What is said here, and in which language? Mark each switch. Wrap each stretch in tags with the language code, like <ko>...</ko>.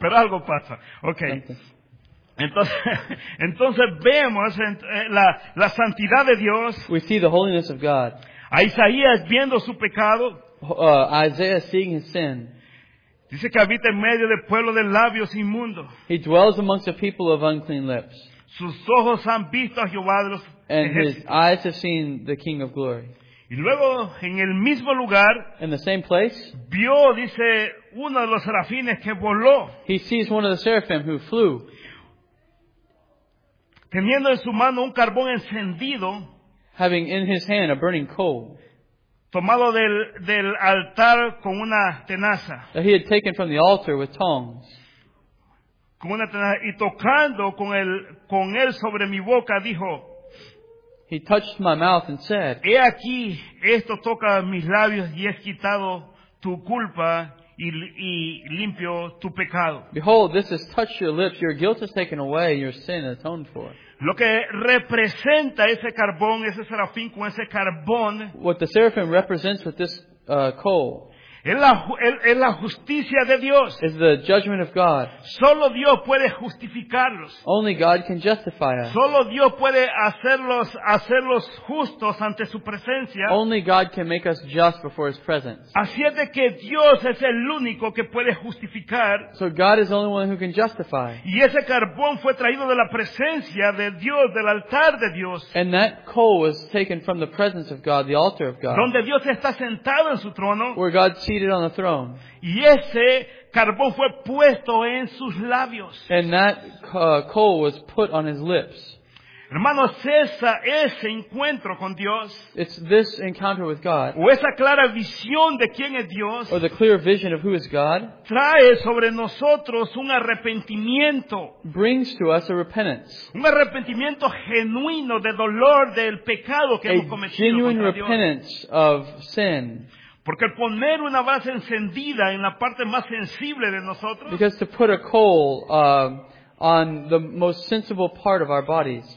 <es>Pero algo pasa. Okay. Entonces vemos la santidad de Dios.</es> <en>We see the holiness of God.</en> <es>A Isaías viendo su pecado.</es> <en>Isaiah seeing his sin.</en> <es>Dice que habita en medio del pueblo de labios inmundos.</es> <en>He dwells amongst the people of unclean lips.</en> <es>Sus ojos han visto a Jehová de los ejércitos.</es> <en>And his eyes have seen the King of Glory.</en> <es>Y luego en el mismo lugar.</es> <en>In the same place.</en> <es>Vio, dice, uno de los serafines que voló.</es> <en>He sees one of the seraphim who flew.</en> <es>Teniendo en su mano un carbón encendido.</es> <en>Having in his hand a burning coal.</en> <es>Tomado del altar con una tenaza.</es> <en>That he had taken from the altar with tongs.</en> <es>Con una tenaza, y tocando con él sobre mi boca dijo.</es> <en>He touched my mouth and said.</en> <es>He aquí, esto toca mis labios y es quitado tu culpa y limpio tu pecado.</es> <en>Behold, this has touched your lips. Your guilt is taken away and your sin atoned for.</en> <es>Lo que representa ese carbón, ese serafín con ese carbón.</es> <en>What the seraphim represents with this coal.</en> <es>Es la justicia de Dios.</es> <en>Is the judgment of God.</en> <es>Solo Dios puede justificarlos.</es> <en>Only God can justify us.</en> <es>Solo Dios puede hacerlos justos ante su presencia.</es> <en>Only God can make us just before his presence.</en> <es>Así es de que Dios es el único que puede justificar.</es> <en>So God is the only one who can justify.</en> <es>Y ese carbón fue traído de la presencia de Dios, del altar de Dios.</es> <en>And that coal was taken from the presence of God, the altar of God.</en> <es>Donde Dios está sentado en su trono.</es> <en>Where God seated on the throne.</en> <es>Y ese carbón fue puesto en sus labios.</es> <en>And that coal was put on his lips.</en> <es>Hermano, ese encuentro con Dios.</es> <en>It's this encounter with God.</en> <es>O esa clara visión de quién es Dios.</es> <en>Or the clear vision of who is God.</en> <es>Trae sobre nosotros un arrepentimiento.</es> <en>Brings to us a repentance.</en> <es>Un arrepentimiento genuino de dolor del pecado que hemos cometido.</es> <en>A genuine repentance of sin.</en> <es>Porque el poner una brasa encendida en la parte más sensible de nosotros.</es> <en>Because to put a coal on the most sensible part of our bodies.</en>